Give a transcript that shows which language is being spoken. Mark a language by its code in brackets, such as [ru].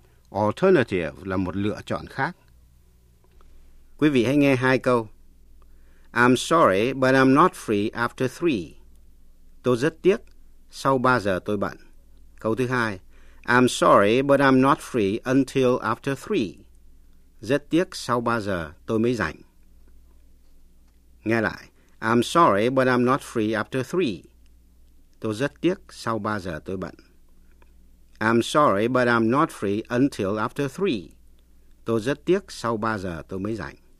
[vi] Alternative là một lựa chọn khác. Quý vị hãy nghe hai câu. [en] I'm sorry, but I'm not free after 3. [vi] Tôi rất tiếc. Sau 3 giờ tôi bận. Câu thứ hai. [en] I'm sorry, but I'm not free until after 3. [vi] Rất tiếc, sau 3 giờ tôi mới rảnh. Nghe lại. [en] I'm sorry, but I'm not free after 3. [vi] Tôi rất tiếc, sau 3 giờ tôi bận. [en] I'm sorry, but I'm not free until after 3. [vi] Tôi rất tiếc, sau 3 giờ tôi mới rảnh.